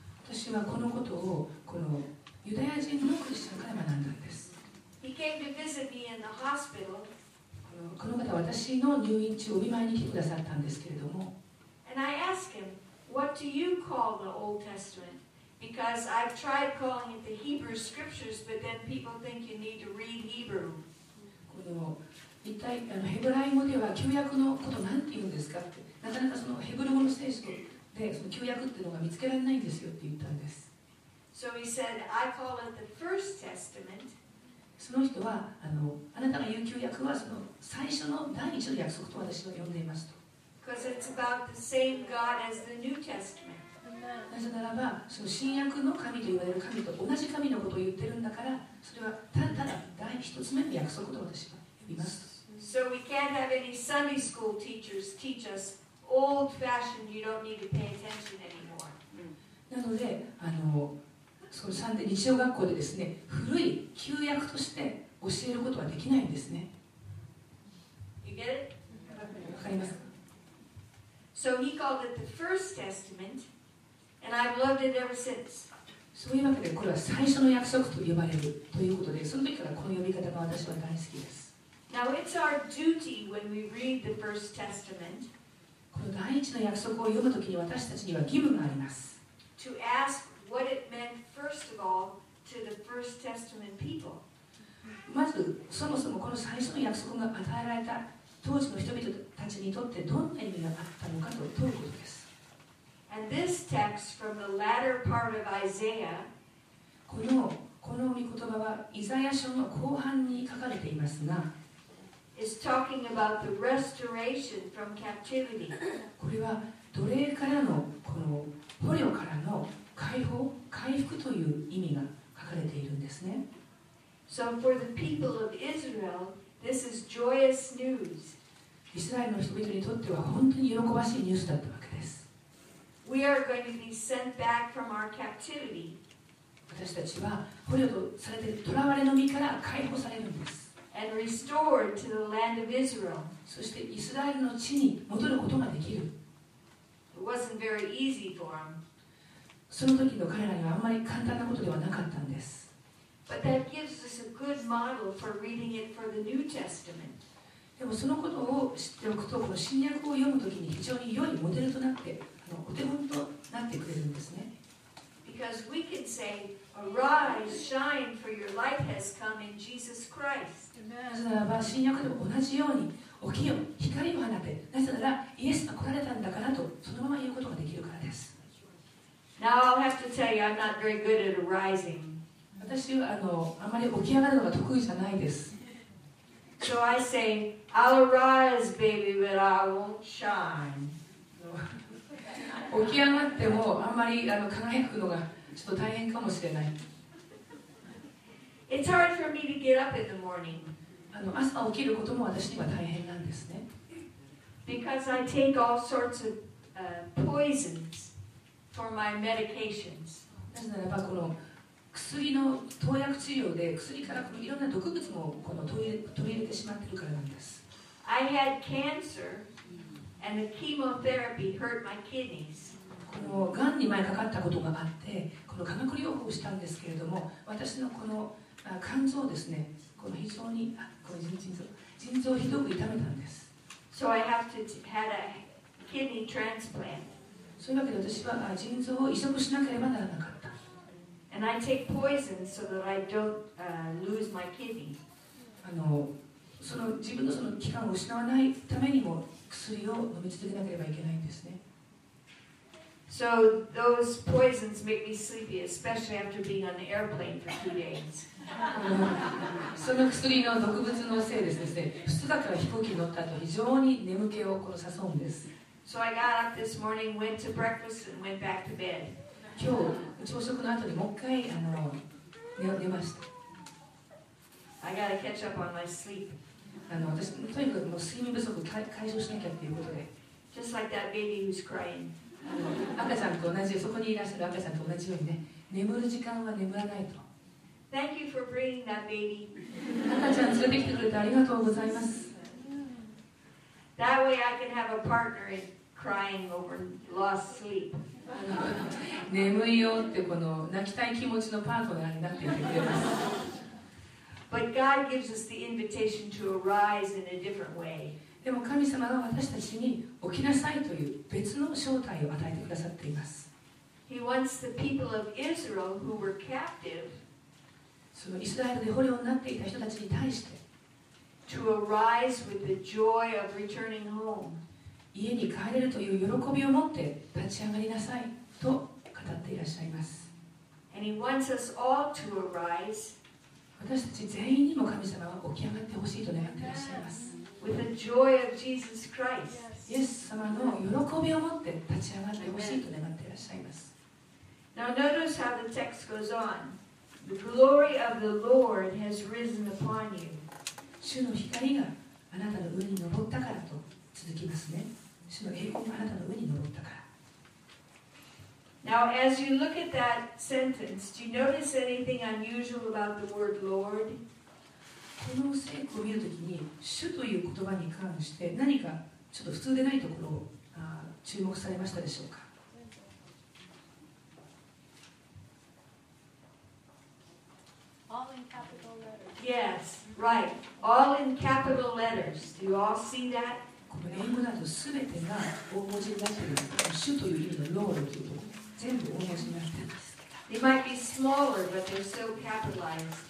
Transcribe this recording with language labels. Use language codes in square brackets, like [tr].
[ja] 私はこのことをこのユダヤ人のクリスチャンから学んだんです。 [en] He came to visit me in the hospital. [ja] この方は私の入院中お見舞いに来てくださったんですけれども、 [en] And I asked him, what do you call the Old Testament? Because I've tried calling it the Hebrew Scriptures, but then people think you need to read Hebrew. [ja] この一体あのヘブライ語では旧約のことなんて言うんですかって、なかなかそのヘブル語の聖書でその旧約っていうのが見つけられないんですよって言ったんです。 [en] So he said, I call it the First Testament. [ja] その人はあのあなたが言う旧約はその最初の第一の約束と私は呼んでいますと。 [en] Because it's about the same God as the New Testament. [ja] なぜならばその新約の神と言われる神と同じ神のことを言ってるんだから、それはただただ第一つ目の約束と私は言います。 [en] So we can't have any Sunday school teachers teach us old fashioned you don't need to pay attention anymore. [ja] なのであのそのサンデー日曜学校でですね、古い旧約として教えることはできないんですね。 [en] You get it? [ja] わかりますか。 [en] So he called it the first testamentAnd I've loved it ever since. [ja] そういうわけでこれは最初の約束と呼ばれるということで、その時からこの呼び方が私は大好きです。 [en] Now it's our duty when we read the First Testament, [ja] この第一の約束を読むときに私たちには義務があります。 [en] To ask what it meant first of all to the First Testament people. [ja] まずそもそもこの最初の約束が与えられた当時の人々たちにとってどんな意味があったのかと問うことです。 [en] And this text from the latter part of Isaiah, [ja] この御言葉はイザヤ書の後半に書かれていますが、 [en] is talking about the restoration from captivity. [ja] これは奴隷からのこの捕虜からの解放、回復という意味が書かれているんですね。 [en] So for the people of Israel, this is joyous news. [ja] イスラエルの人々にとっては本当に喜ばしいニュースだったわけです。 [en] We are going to be sent back from our captivity. [ja] 私たちは捕虜とされて囚われの身から解放されるんです。 [en] And restored to the land of Israel. [ja] そしてイスラエルの地に戻ることができる。 [en] It wasn't very easy for them. [ja] その時の彼らにはあんまり簡単なことではなかったんです。 [en] But that gives us a good model for reading it for the New Testament. [ja] でもそのことを知っておくと、この新約を読むときに非常に良いモデルとなって、あのお手本となってくれるんですね。 [en] Because we can say, Arise, shine, for your light has come in Jesus Christ. [ja] なぜならば、新約でも同じように、起きよ、光を放て、なぜならイエスが来られたんだからと、そのまま言うことができるからです。 [en] Now I'll have to tell you, I'm not very good at arising. [ja] 私はあまり起き上がるのが得意じゃないです。 [en] So I say, I'll arise, baby, but I won't shine. [ja] 起き上がってもあんまり輝くのがちょっと大変かもしれない。 [en] It's hard for me to get up in the morning. [ja] 朝起きることも私には大変なんですね。 [en] Because I take all sorts of poisons for my medications. [ja] なぜならばこの薬の投薬治療で薬からいろんな毒物もこの取り入れてしまっているからなんです。 [en] I had cancer and the chemotherapy hurt my kidneys. [ja] このがんに前かかったことがあって、この化学療法をしたんですけれども、私のこの肝臓ですね、この非常に腎臓をひどく痛めたんです。 [en] So I have to had a kidney transplant. [ja] そういうわけで私は腎臓を移植しなければならなかった。 [en] And I take poison so that I don't lose my kidney. [ja] その自分のその器官を失わないためにも薬を飲み続けなければいけないんですね。 [en] So those poisons make me sleepy, especially after being on the airplane for 2 days. [ja] その薬の毒物のせいですね。2日から飛行機に乗った後、非常に眠気を殺そうんです。 [en] So I got up this morning, went to breakfast, and went back to bed. [ja] 今日朝食の後にもう一回寝ました。 [en] I gotta catch up on my sleep. [ja] 私とにかくもう睡眠不足を解消しなきゃっていうことで。 [en] Just like that baby who's crying. [ja] 赤ちゃんと同じ、そこにいらっしゃる赤ちゃんと同じようにね、眠る時間は眠らないと。 [en] Thank you for bringing that baby. [ja] 赤ちゃん連れてきてくれてありがとうございます。 [en] That way I can have a partner in crying over lost sleep. [ja] 眠いよってこの泣きたい気持ちのパートナーになっていてくれます。 [en] But God gives us the invitation to arise in a different way. [ja] でも神様が私たちに起きなさいという別の招待を与えてくださっています。 [en] He wants the people of Israel who were captive, [ja] そのイスラエルで捕虜になっていた人たちに対して、 [en] to arise with the joy of returning home. [ja] 家に帰れるという喜びを持って立ち上がりなさいと語っていらっしゃいます。 [en] And he wants us all to arise. [ja] 私たち全員にも神様は起き上がってほしいと願っていらっしゃいます。 [en] With the joy of Jesus Christ. [ja] イエス様の喜びを持って立ち上がってほしいと願っていらっしゃいます。 [en] Now notice how the text goes on. The glory of the Lord has risen upon you. [ja] 主の光があなたの上に昇ったからと続きますね。主の栄光があなたの上に昇ったから。 [en] Now, as you look at that sentence, do you notice anything unusual about the word Lord? [ja] この聖句を見るときに、主という言葉に関して何かちょっと普通でないところを注目されましたでしょうか？ [en] All in capital letters. Yes, right. All in capital letters. Do you all see that? [ja] この英語だとすべてが大文字になっている主という意味のロールというと全部大文字になっています。 [en] They might be smaller, but they're still capitalized.